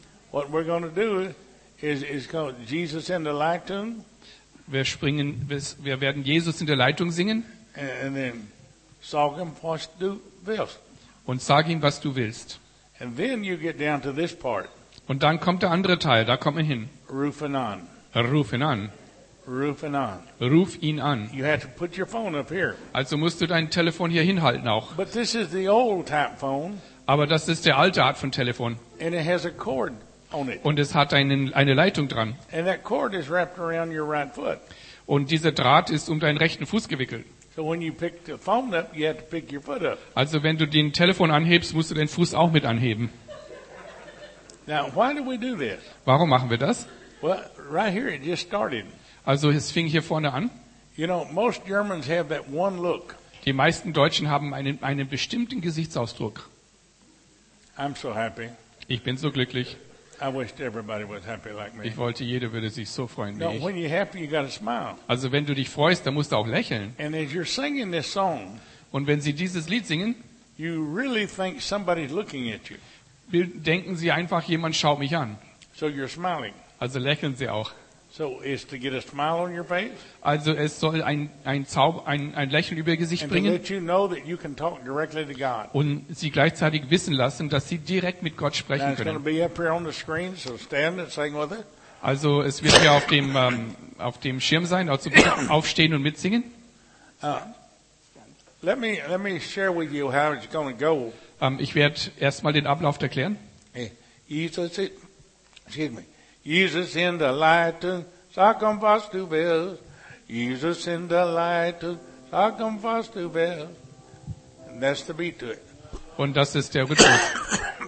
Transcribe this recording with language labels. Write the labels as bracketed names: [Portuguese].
[English] What we're gonna do is called Jesus in the Light Tune. [German] Wir werden Jesus in der Leitung singen. [English] And then [German] sag ihm, was du willst. Und sag ihm, was du willst. [English] And then you get down to this part. [German] Und dann kommt der andere Teil, da kommt man hin. Rufen an. Ruf ihn an. Ruf ihn an. Ruf ihn an. [English] You have to put your phone up here. [German] Also musst du dein Telefon hier hinhalten auch. [English] But this is the old type phone. [German] Aber das ist der alte Art von Telefon. [English] And it has a cord on it. [German] Und es hat eine Leitung dran. [English] And that cord is wrapped around your right foot. [German] Und dieser Draht ist um deinen rechten Fuß gewickelt. [English] So when you pick the phone up, you have to pick your foot up. [German] Also wenn du den Telefon anhebst, musst du deinen Fuß auch mit anheben. [English] Now, why do we do this? [German] Warum machen wir das? [English] Well, right here it just started. [German] Also es fing hier vorne an. [English] You know, most Germans have that one look. [German] Die meisten Deutschen haben einen bestimmten Gesichtsausdruck. [English] I'm so happy. [German] Ich bin so glücklich. [English] I wish everybody was happy like me. [German] Ich wollte, jeder würde sich so freuen wie ich. [English] When you're happy, you gotta smile. [German] Also wenn du dich freust, dann musst du auch lächeln. [English] And as you're singing this song, [German] und wenn sie dieses Lied singen, [English] you really think somebody's looking at you. [German] Denken sie einfach, jemand schaut mich an. [English] So you're smiling. [German] Also lächeln sie auch. [English] So is to get a smile on your face. [German] Also es soll ein Lächeln über ihr Gesicht bringen. [English] And to let you know that you can talk directly to God. [German] Und sie gleichzeitig wissen lassen, dass sie direkt mit Gott sprechen können. [English] Now it's going to be up here on the screen, so stand and sing with it. [German] Also es wird hier auf dem Schirm sein, also aufstehen und mitsingen. [English] Let me share with you how it's going to go. [German] Ich werde erstmal den Ablauf erklären. Hey, Jesus in der Leitung, sag ihm, was du willst. Jesus in der Leitung, sag ihm, was du willst. [English] And that's the beat to it. [German] Und das ist der Rhythmus.